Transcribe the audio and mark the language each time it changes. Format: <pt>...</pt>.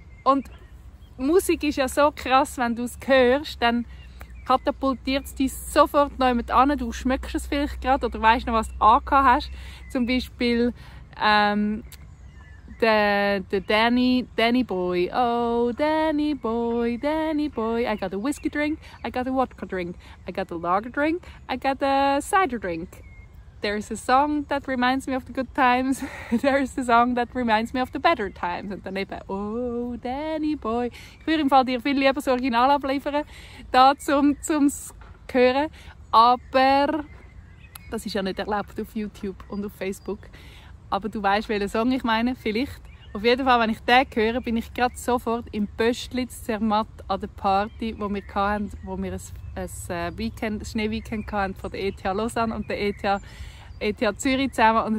<de>Und Musik ist ja so krass, wenn du es hörst, dann katapultiert es dich sofort noch jemand an. Du schmeckst es vielleicht gerade oder weißt noch, was du angehabt hast. Zum Beispiel der Danny Boy.</de> <en>Oh, Danny Boy, Danny Boy. I got a whiskey drink, I got a vodka drink, I got a lager drink, I got a cider drink. There's a song that reminds me of the good times. There's a song that reminds me of the better times.</en> <de>Und dann eben, oh, Danny Boy. Ich würde im Fall dir viel lieber das Original abliefern, da zum hören. Aber das ist ja nicht erlaubt auf YouTube und auf Facebook. Aber du weißt, welchen Song ich meine, vielleicht. Auf jeden Fall, wenn ich den höre, bin ich gerade sofort im Pöstlitz Zermatt an der Party, wo wir hatten, wo wir ein Schneeweekend hatten von der ETH Lausanne und der ETH Zürich zusammen.</de>